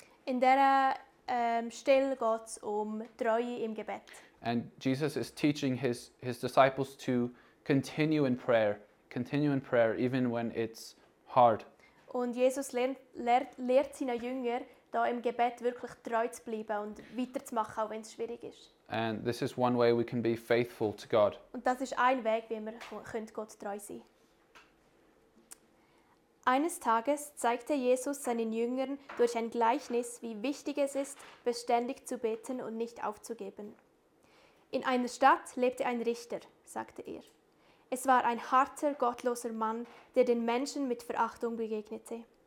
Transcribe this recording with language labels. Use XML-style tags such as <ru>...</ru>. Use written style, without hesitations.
<de>In dieser Stelle geht es Treue im Gebet.</de> <en>And Jesus is teaching his disciples to continue in prayer. Continue in prayer, even when it's hard.</en> <de>Und Jesus lehrt seine Jünger, da im Gebet wirklich treu zu bleiben und weiterzumachen, auch wenn es schwierig ist.</de> <en>And this is one way we can be faithful to God.</en> <de>Und das ist ein Weg, wie wir Gott treu sein können. Eines Tages zeigte Jesus seinen Jüngern durch ein Gleichnis, wie wichtig es ist, beständig zu beten und nicht aufzugeben. In einer Stadt lebte ein Richter, sagte er. Es war ein harter, gottloser Mann, der den Menschen mit Verachtung begegnete.</de>